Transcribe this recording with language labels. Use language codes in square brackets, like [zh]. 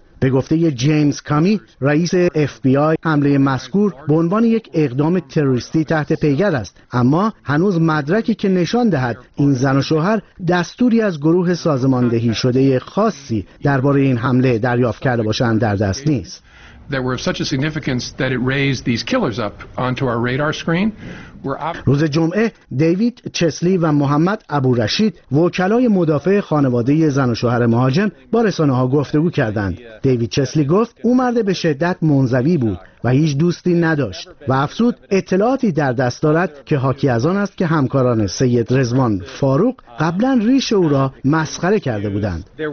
[fa] به گفته جیمز کامی، رئیس FBI، حمله مذکور به عنوان یک اقدام تروریستی تحت پیگرد است، اما هنوز مدرکی که نشان دهد این زن و شوهر دستوری از گروه سازماندهی شده خاصی درباره این حمله دریافت کرده باشند در دست نیست. [en] That were of such a significance that it raised these killers up onto our radar screen. [fa] روز جمعه دیوید چسلی و محمد ابورشید، وکلای مدافع خانواده زن و شوهر مهاجم، با رسانه‌ها گفتگو کردند. دیوید چسلی گفت او مرد به شدت منزوی بود و هیچ دوستی نداشت و افزود اطلاعاتی در دست دارد که حاکی از آن است که همکاران سید رضوان فاروق قبلا ریش او را مسخره کرده بودند.